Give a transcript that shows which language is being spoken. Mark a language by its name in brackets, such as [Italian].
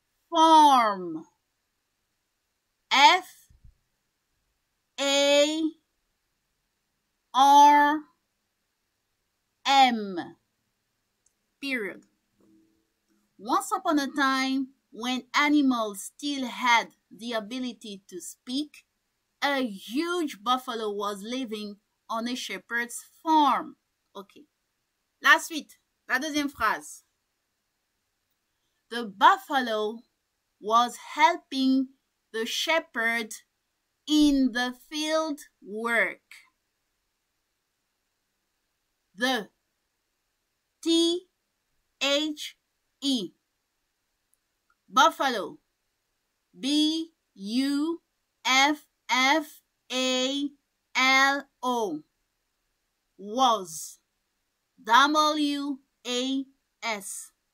[English] farm F A R M period. Once upon a time, when animals still had the ability to speak, a huge buffalo was living on a shepherd's farm. Okay. [French] La suite, la deuxième phrase. [English] The buffalo was helping the shepherd in the field work. The T H E Buffalo B U F F A L O was W A S